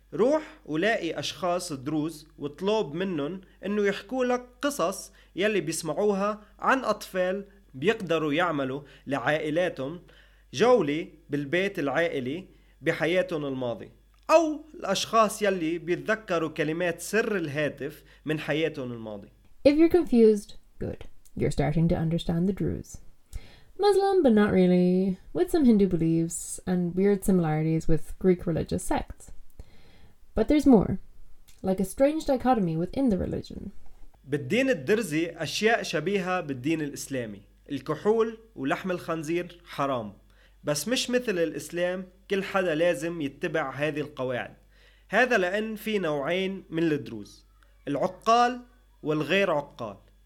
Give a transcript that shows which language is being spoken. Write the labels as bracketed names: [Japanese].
[Arabic] روح ولاقي أشخاص دروز وطلب منهم أنه يحكوا لك قصص يلي بيسمعوها عن أطفال بيقدروا يعملوا لعائلاتهم جولة بالبيت العائلي بحياتهم الماضي، أو الأشخاص يلي بيتذكروا كلمات سر الهاتف من حياتهم الماضي. [English] If you're confused, good. You're starting to understand the Druze. Muslim, but not really, with some Hindu beliefs and weird similarities with Greek religious sects. But there's more, like a strange dichotomy within the religion. [Arabic] بالدين الدرزي أشياء شبيهة بالدين الإسلامي. الكحول ولحم الخنزير حرام. بس مش مثل الإسلام كل حدا لازم يتبع هذه القواعد. هذا لأن في نوعين من الدروز، العقال والغير عقال.